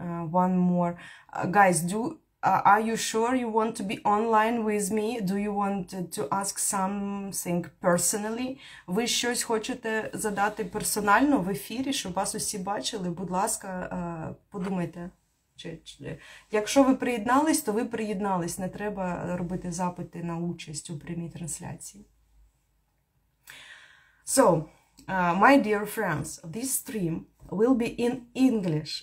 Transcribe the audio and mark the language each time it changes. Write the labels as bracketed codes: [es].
[en] One more. Guys, are you sure you want to be online with me? Do you want to ask something personally? [uk] Ви щось хочете задати персонально в ефірі, щоб вас усі бачили? Будь ласка, подумайте. Якщо ви приєднались, то ви приєднались. Не треба робити запити на участь у прямій трансляції. [en] So, my dear friends, this stream will be in English.